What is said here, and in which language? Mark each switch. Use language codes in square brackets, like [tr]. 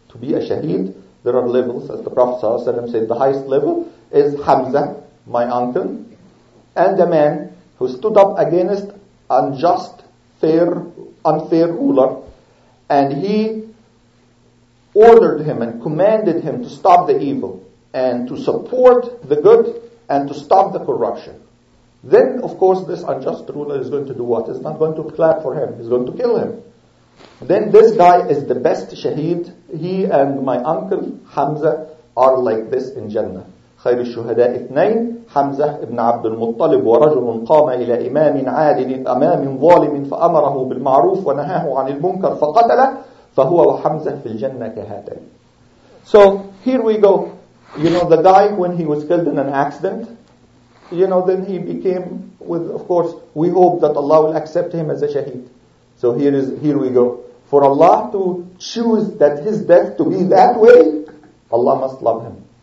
[en] To be a shaheed, there are levels, as the Prophet ﷺ said. The highest level is Hamza, my uncle, and a man who stood up against unjust, fair, unfair ruler, and he ordered him and commanded him to stop the evil and to support the good and to stop the corruption. Then, of course, this unjust ruler is going to do what? He's not going to clap for him. He's going to kill him. Then this guy is the best shaheed. He and my uncle, Hamza, are like this in Jannah. [ar] خير الشهداء اثنين حمزة ابن عبد المطلب ورجل قام إلى إمام عادل أمام ظالم فأمره بالمعروف ونهاه عن المنكر فقتله فهو وحمزة في الجنة كهاتين. [en] So here we go. You know, the guy, when he was killed in an accident, you know, then he became with, of course, we hope that Allah will accept him as a shaheed. So here we go. For Allah to choose that his death to be that way, Allah must love him.